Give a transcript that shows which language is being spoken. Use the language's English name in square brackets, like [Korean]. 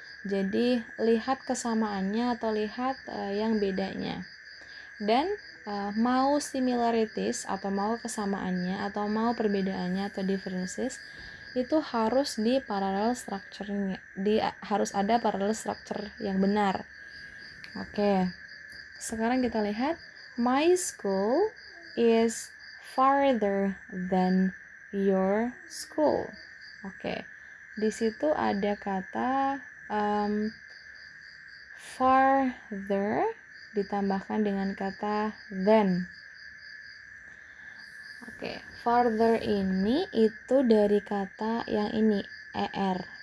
[Indonesian] Jadi, lihat kesamaannya atau lihat yang bedanya. Dan mau similarities atau mau kesamaannya atau mau perbedaannya atau differences itu harus di parallel structure-nya. Harus ada parallel structure yang benar. Oke. Sekarang kita lihat, [English] my school is farther than your school. [Indonesian] Oke. Di situ ada kata farther ditambahkan dengan kata than. Oke, farther ini itu dari kata yang ini, er.